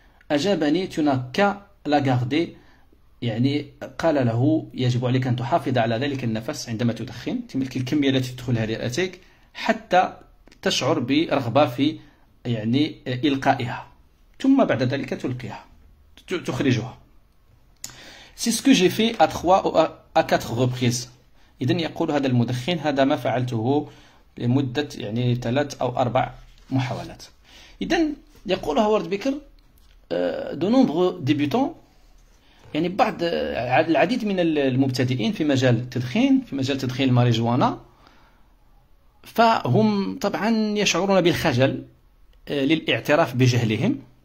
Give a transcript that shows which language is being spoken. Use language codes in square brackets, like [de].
[ar] أجابني [fr] tu n'as qu'à la garder، [ar] يعني قال له يجب عليك أن تحافظ على ذلك النفس عندما تدخن، تلك الكمية التي تدخلها لرئتيك حتى تشعر برغبة في يعني إلقائها، ثم بعد ذلك تلقيها، تخرجها. [fr] C'est ce que j'ai fait à trois ou à quatre reprises. [ar] إذن يقول هذا المدخن هذا ما فعلته لمدة يعني ثلاث أو أربع محاولات. إذن يقول هوارد بيكر [fr] de nombreux débutants، [ar] يعني بعض العديد من المبتدئين في مجال التدخين، في مجال تدخين الماريجوانا، فهم طبعا يشعرون بالخجل للاعتراف بجهلهم،